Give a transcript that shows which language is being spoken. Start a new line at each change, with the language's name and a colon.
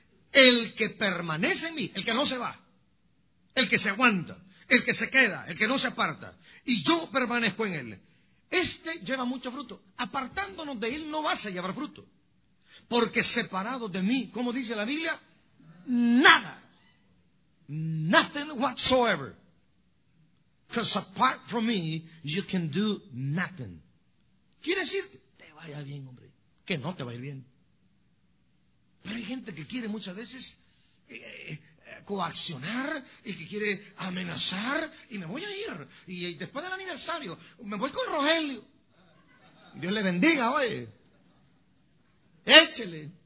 Spanish: El que permanece en mí, el que no se va, el que se aguanta, el que se queda, el que no se aparta, y yo permanezco en él, Este lleva mucho fruto. Apartándonos de él no vas a llevar fruto. Porque separado de mí, como dice la Biblia, nada.
English: Nothing whatsoever. Because apart from me, you can do nothing.
Spanish: Quiere decir, te vaya bien, hombre. Que no te va a ir bien. Pero hay gente que quiere muchas veces coaccionar y que quiere amenazar y me voy a ir. Y después del aniversario, me voy con Rogelio. Dios le bendiga, oye. Échele.